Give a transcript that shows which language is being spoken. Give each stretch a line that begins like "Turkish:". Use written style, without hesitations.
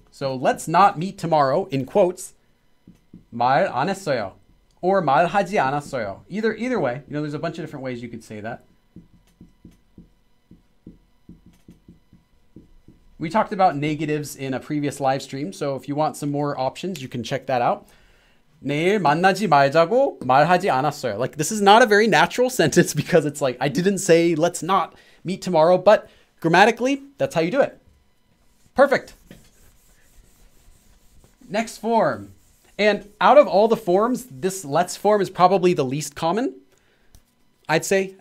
English: So let's not meet tomorrow, in quotes,
Korean: 말 안 했어요. Or 말하지 않았어요.
English: Either way, you know, there's a bunch of different ways you could say that. We talked about negatives in a previous live stream, so if you want some more options, you can check that out.
Korean: 내일 만나지 말자고 말하지 않았어요.
English: Like, this is not a very natural sentence because it's like, I didn't say let's not meet tomorrow, but grammatically, that's how you do it. Perfect. Next form. And out of all the forms, this let's form is probably the least common, I'd say.